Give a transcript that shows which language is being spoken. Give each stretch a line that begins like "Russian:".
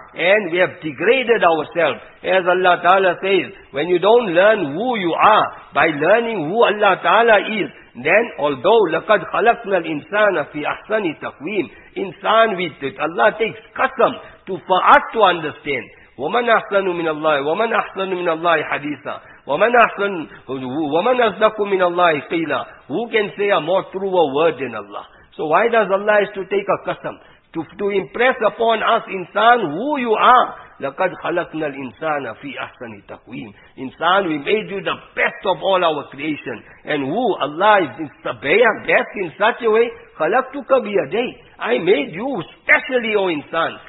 English: And we have degraded ourselves. As Allah Ta'ala says, when you don't learn who you are, by learning who Allah Ta'ala is, then although,
Arabic: لَقَدْ خَلَقْنَا الْإِنسَانَ فِي أَحْسَنِ تَقْوِيمِ
English: Insan with it. Allah takes qasam to for us to understand.
Arabic: وَمَنْ أَحْسَنُ مِنَ اللَّهِ وَمَنْ أَحْسَنُ مِنَ اللَّهِ حَدِيثًا وَمَنْ أَصْدَقُ مِنَ اللَّهِ قِيلًا
English: Who can say a more truer word than Allah? So why does Allah have to take a qasam? To impress upon us, insan, who you are.
Arabic: لَقَدْ خَلَقْنَا الْإِنسَانَ فِي أَحْسَنِ تَقْوِيمِ
English: Insan, we made you the best of all our creation. And who? Allah is best in such a way.
Arabic: خَلَقْتُكَ بِيَدَيْ
English: I made you specially, O insan.